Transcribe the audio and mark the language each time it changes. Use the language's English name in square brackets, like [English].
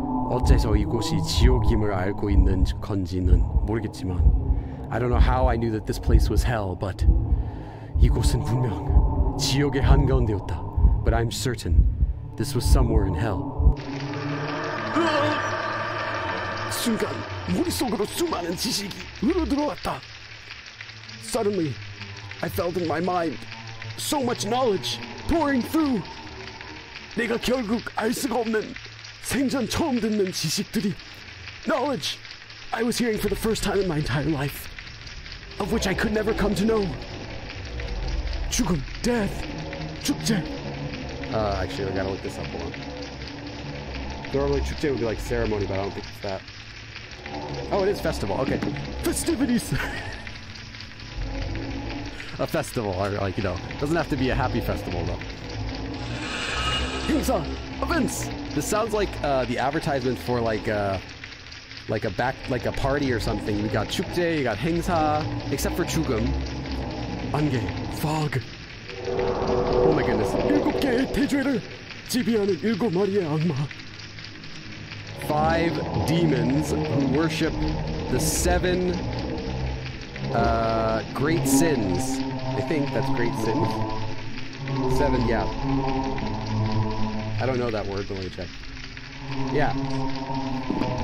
[Korean] 어째서 이곳이 지옥임을 알고 있는 건지는 모르겠지만, [English] I don't know how I knew that this place was hell, but [Korean] 이곳은 분명 지옥의 한가운데였다. [English] But I'm certain this was somewhere in hell. [Korean] 순간 머릿속으로 수많은 지식이 흘러들어왔다. [English] Suddenly, I felt in my mind so much knowledge pouring through. [Korean] 내가 결국 알 수가 없는 생전 처음 듣는 지식들이 [English] knowledge I was hearing for the first time in my entire life, of which I could never come to know. [Korean] 죽음, death, 축제. [English] Actually, I gotta look this up more. Normally, 축제 would be like ceremony, but I don't think it's that. Oh, it is festival. Okay. Festivities. A festival, or like, you know, doesn't have to be a happy festival, though. [Korean] 행사, events. [English] This sounds like the advertisement for like a party or something. We got 축제, you got 행사, except for 죽음. [Korean] 안개, fog. [English] Oh my goodness. [Korean] 일곱 개의 대죄를 지배하는 일곱 마리의 악마. [English] Five demons who worship the seven great sins. I think that's great sins. Seven, yeah. I don't know that word, but let me check. Yeah.